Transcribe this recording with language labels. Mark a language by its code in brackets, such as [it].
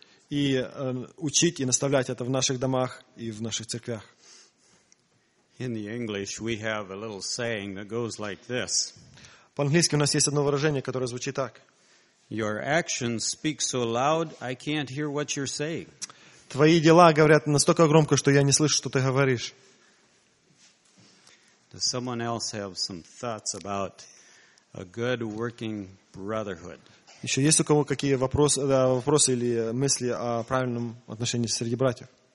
[ru] И учить и наставлять это в наших домах и в наших церквях. [en] In the English we have a little saying that goes like this. [ru] По-английски у нас есть одно выражение, которое звучит так. [en] Your actions speak so loud, I can't hear what you're saying. [ru] Твои дела говорят настолько громко, что я не слышу, что ты говоришь. [en] Does someone else have some thoughts about a good working brotherhood? [ru] Еще есть у кого какие вопросы или мысли о правильном отношении среди братьев?